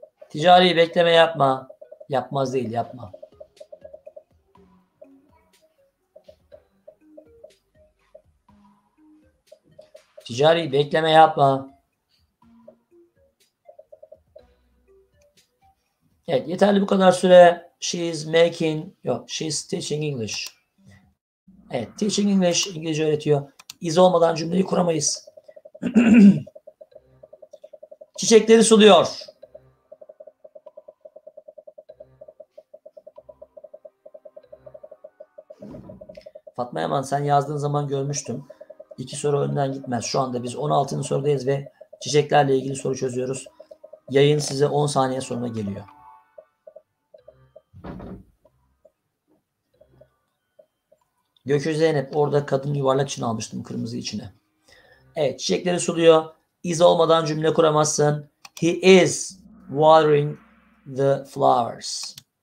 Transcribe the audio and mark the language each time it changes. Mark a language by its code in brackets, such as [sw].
[tr] Ticari bekleme yapma. Yapmaz değil, yapma. Ticari bekleme yapma. Evet, yeterli bu kadar süre. [en] She is making, [tr] yok, [en] she is teaching English. [tr] Evet, [en] teaching English, [tr] İngilizce öğretiyor. İz olmadan cümleyi kuramayız. Çiçekleri suluyor. Fatma Yaman, sen yazdığın zaman görmüştüm. İki soru önden gitmez. Şu anda biz 16. sorudayız ve çiçeklerle ilgili soru çözüyoruz. Yayın size 10 saniye sonra geliyor. Gökyüzü Zeynep, orada kadın yuvarlak için almıştım kırmızı içine. Evet, çiçekleri suluyor. Is olmadan cümle kuramazsın. [en] He is watering the flowers.